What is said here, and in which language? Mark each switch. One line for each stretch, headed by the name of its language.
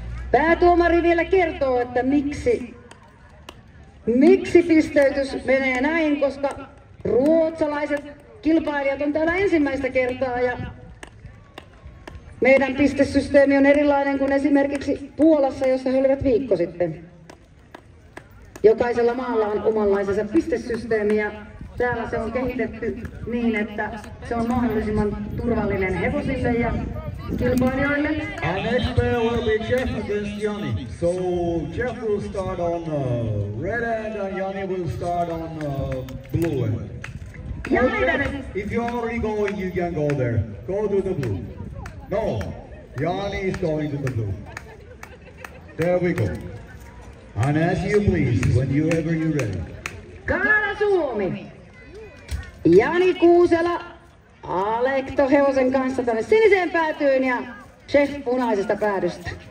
Finnish: Päätuomari vielä kertoo, että miksi pisteytys menee näin, koska ruotsalaiset kilpailijat on täällä ensimmäistä kertaa ja meidän pistesysteemi on erilainen kuin esimerkiksi Puolassa, jossa he olivat viikko sitten. Jokaisella maalla on omanlaisensa pistesysteemi ja täällä se on kehitetty niin, että se on mahdollisimman turvallinen hevosille ja kilpailijoille.
English: And next pair will be Jeff against Jani. So Jeff will start on red end and Jani will start on blue end. Jani, if you already going, you can go there. Go to the blue. No, Jani is going to the blue. There we go. And as you please, whenever you're ready.
Finnish: Kanada, Suomi. Jani Kuusela, Alekto Hevosen kanssa tänne siniseen päätyyn ja Jeff punaisesta päädystä.